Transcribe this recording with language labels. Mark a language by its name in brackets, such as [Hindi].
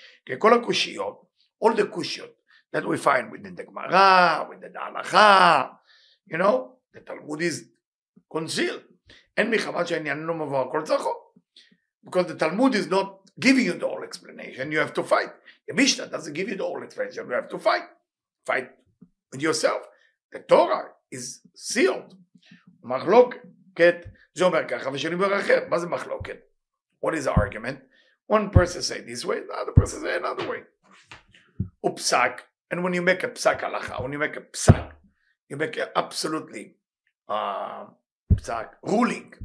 [English] All the kushiyot, that we find within the Gemara, within the Halacha, you know, the Talmud is concealed. And because the Talmud is not giving you the whole explanation, you have to fight. The Mishnah doesn't give you the whole explanation, you have to fight. Fight with yourself. The Torah is sealed. [Hebrew] Machloket, זה אומר ככה, ושאני אומר אחרת, מה זה מחלוקת? [English] What is the argument? One person say this way, the other person say another way. Upsak, and when you make a psak halacha, when you make a psak, you make it absolutely psak ruling.